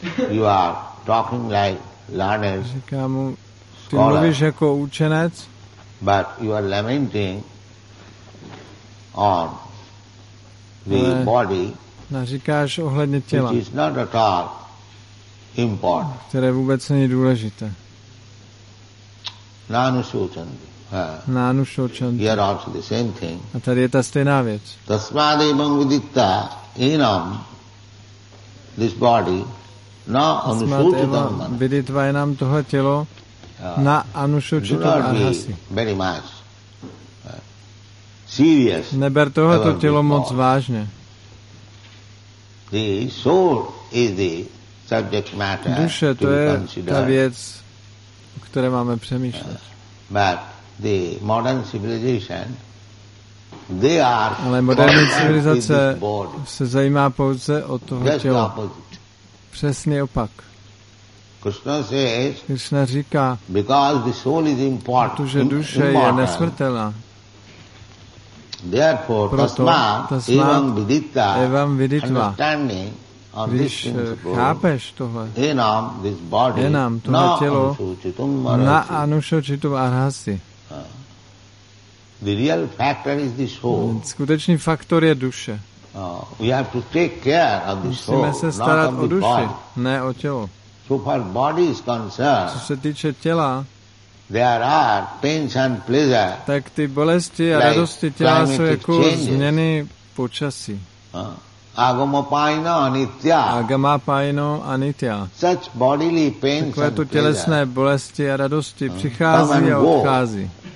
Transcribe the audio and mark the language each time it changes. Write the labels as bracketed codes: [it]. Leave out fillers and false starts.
[en] You are talking like learned. [cs] Říká mu, ty mluvíš jako učenec, [en] but you are lamenting on the body, [cs] naříkáš ohledně těla, [en] which is not at all important. [cs] Které vůbec není důležité. [sa] Nanu shochanti. [en] Here also the same thing. [cs] A tady je ta stejná věc. [sa] Tasmad evam viditta enam [en] this body [sa] na anushochitam. Viditva enam [cs] tohle tělo [sa] na anushochitam arhasi. [en] Very much. Serious. [cs] Neber tohoto tělo moc vážně. [en] The soul is the subject matter. [cs] Duše, to je ta věc, o které máme přemýšlet. [en] But the modern civilization, they are. [cs] Ale moderní civilizace se zajímá pouze o toho tělo. Přesný opak. [en] Krishna says. [cs] Krishna říká. [en] Because the soul is important. [cs] Protože duše je nesmrtelná. [sa] Therefore, tasma evam viditva. [cs] Když chápeš tohle, je nám tohle tělo [sa] na anušočitum arhasi. [en] The real factor is the soul. [cs] Skutečný faktor je duše. [en] We have to take care of the soul, [cs] musíme se starat o duši, ne o tělo. [en] So far body is concerned. [cs] Co se týče těla, [en] there are pains and pleasure. [cs] Tak ty bolesti a radosti těla jsou jako změny počasí. [sa] Agamapaino anitya. Agamapaino anitya. [en] Such bodily pains. [cs] Takové tu tělesné bolesti a radosti přichází a odchází.